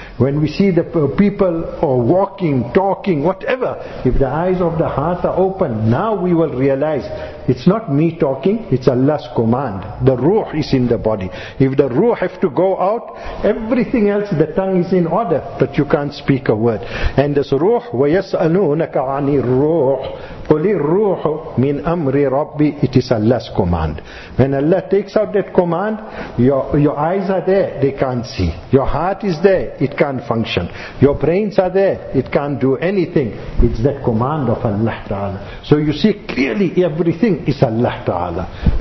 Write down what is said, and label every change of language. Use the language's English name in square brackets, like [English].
[English] When we see the people or walking, talking, whatever, if the eyes of the heart are open, now we will realize it's not me talking, it's Allah's command. The ruh is in the body. If the ruh have to go out, everything else, the tongue is in order, but you can't speak a word. And this ruh, [Arabic] وَيَسْأَلُونَكَ عَنِ الرُّوحِ قُلِ الرُّوحُ مِنْ أَمْرِ رَبِّي. [English] It is Allah's command. When Allah takes out that command, your eyes are there, they can't see. Your heart is there, it can't function. Your brains are there, it can't do anything. It's that command of Allah Ta'ala. So you see clearly everything is Allah Ta'ala.